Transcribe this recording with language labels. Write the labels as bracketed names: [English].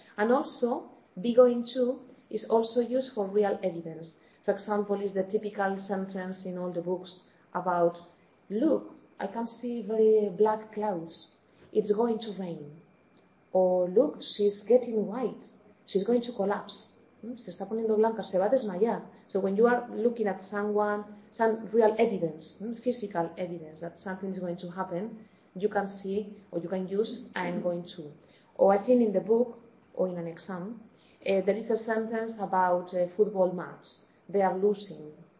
[English] And also, be going to is also used for real evidence. For example, is the typical sentence in all the books about, look, I can see very black clouds, it's going to rain. Or, look, she's getting white, she's going to collapse. [Spanish] Se está poniendo blanca, se va a desmayar. [English] So when you are looking at someone, some real evidence, physical evidence that something is going to happen, you can see, or you can use, I'm going to. Or I think in the book, or in an exam, there is a sentence about a football match. They are losing.